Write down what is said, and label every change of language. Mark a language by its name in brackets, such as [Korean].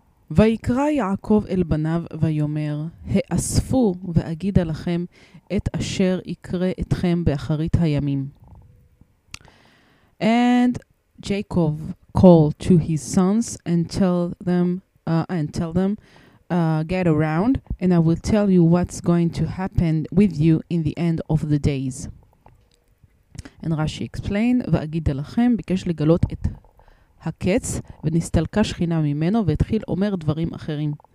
[Hebrew] ויקרא יעקב אל בניו ויאמר, האספו ואגיד עליכם את אשר יקרה אתכם באחרית הימים. [English] And Jacob called to his sons and tell them, get around, and I will tell you what's going to happen with you in the end of the days. And Rashi explained, [Hebrew] "Va'agid alachem," [English] because [Hebrew] legalot et הקץ ונסתלקה שכינה ממנו והתחיל אומר דברים אחרים.